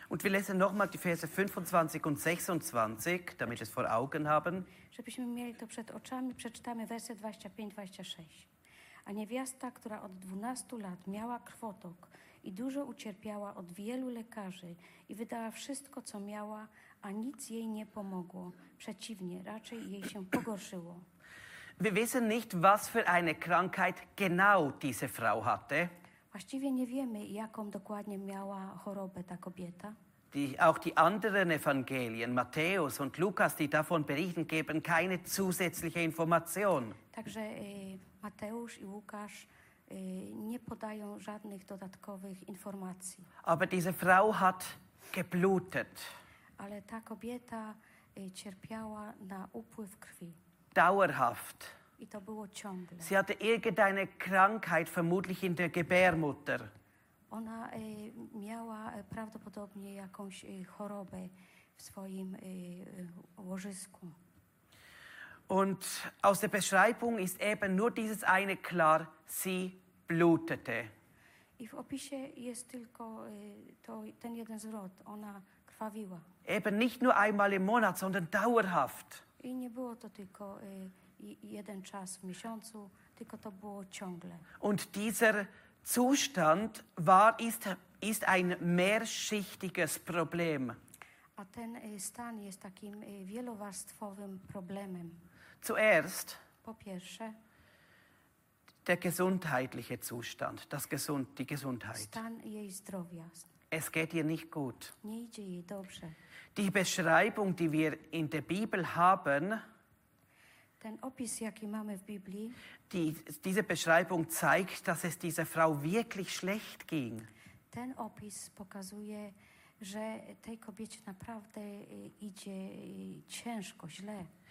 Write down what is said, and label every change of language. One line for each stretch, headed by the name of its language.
German: Und wir lesen nochmal die Verse 25 und 26, damit wir es vor Augen haben.
Polish: Żebyśmy mieli to przed oczami, przeczytamy wersy 25-26. A niewiasta, która od 12 lat miała krwotok i dużo ucierpiała od wielu lekarzy i wydała wszystko, co miała, a nic jej nie pomogło. Przeciwnie, raczej jej się pogorszyło.
German: Wir wissen nicht, was für eine Krankheit genau diese Frau hatte.
Polish: Właściwie nie wiemy, jaką dokładnie miała chorobę ta kobieta.
German: Auch die anderen Evangelien, Matthäus und Lukas, die davon berichten, geben keine zusätzliche Information.
Polish: Także Mateusz i Łukasz nie podają żadnych dodatkowych informacji.
German: Aber diese Frau hat geblutet.
Polish: Ale ta kobieta cierpiała na upływ krwi.
German: Dauerhaft.
Polish: I to było ciągle.
German: Sie hatte irgendeine Krankheit, vermutlich in der Gebärmutter.
Polish: Ona miała prawdopodobnie jakąś chorobę w swoim łożysku.
German: Und aus der Beschreibung ist eben nur dieses eine klar, sie blutete.
Polish: I w opisie jest tylko ten jeden zwrot, ona krwawiła.
German: Eben nicht nur einmal im Monat, sondern dauerhaft.
Polish: I nie było to tylko jeden czas w miesiącu, tylko to było ciągle.
German: Und dieser Zustand war ist ein mehrschichtiges Problem.
Polish: A ten stan jest takim wielowarstwowym problemem.
German: Zuerst,
Polish: po pierwsze,
German: der gesundheitliche Zustand, die Gesundheit.
Polish: Stan jej zdrowia.
German: Es geht ihr nicht gut.
Polish: Nie idzie jej dobrze.
German: Die Beschreibung, die wir in der Bibel haben,
Polish: ten opis, jaki mamy w Biblii,
German: diese Beschreibung zeigt, dass es dieser Frau wirklich schlecht ging.
Polish: Ten opis pokazuje, że tej kobiecie naprawdę idzie ciężko, źle.